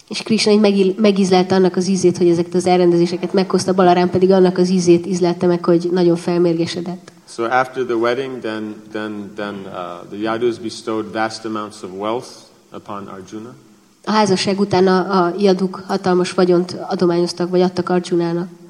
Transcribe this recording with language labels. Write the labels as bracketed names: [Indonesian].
[Hungarian] És Krishna megízlelte annak az ízét, hogy ezeket az elrendezéseket meghozta, Balaram pedig annak az ízét ízlelte meg, hogy nagyon felmérgesedett. [English] So after the wedding, then the Yadus bestowed vast amounts of wealth upon Arjuna. [Hungarian] A házasság után a Yaduk hatalmas vagyont adományoztak vagy adtak Arjunának.